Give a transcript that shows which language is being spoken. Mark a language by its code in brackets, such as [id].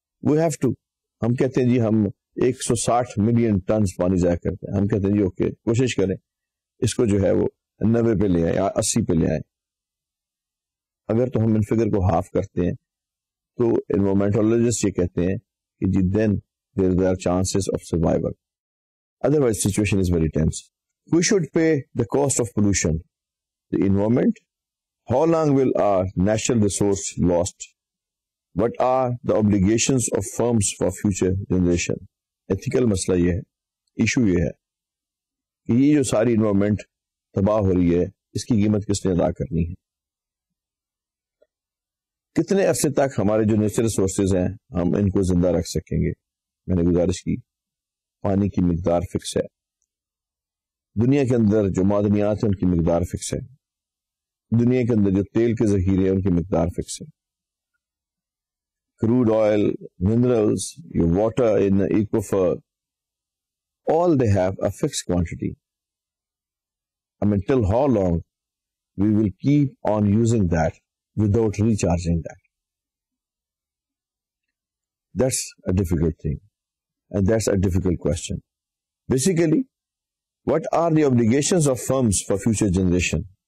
[en] we have to, [ur] ہم کہتے ہیں جی ہم 160 million ٹنز پانی ضائع کرتے ہیں, ہم کہتے ہیں جی اوکے کوشش کریں اس کو جو ہے وہ 90 پہ لے آئیں یا 80 پہ لے آئیں. اگر تو ہم ان فگر کو ہاف کرتے ہیں تو انوائرمنٹولوجسٹ یہ کہتے ہیں کہ جی [en] Then there are chances of survival, otherwise situation is very tense. We should pay the cost of pollution the environment, how long will our natural resource last, what are the obligations of firms for future generation. [ur] Ethical مسئلہ یہ ہے, issue یہ ہے کہ یہ جو ساری environment تباہ ہو رہی ہے اس کی قیمت کس نے ادا کرنی ہے, کتنے عرصے تک ہمارے جو نیچرل ریسورسز ہیں ہم ان کو زندہ رکھ سکیں گے. میں نے گزارش کی پانی کی مقدار فکس ہے, دنیا کے اندر جو معدنیات ہیں ان کی مقدار فکس ہے, دنیا کے اندر جو تیل کے ذخیرے ہیں ان کی مقدار فکس ہے, [en] crude oil, minerals, your water in the aquifer, all they have a fixed quantity. I mean, till how long we will keep on using that without recharging that? That's a difficult thing, and that's a difficult question. Basically, what are the obligations of firms for future generation?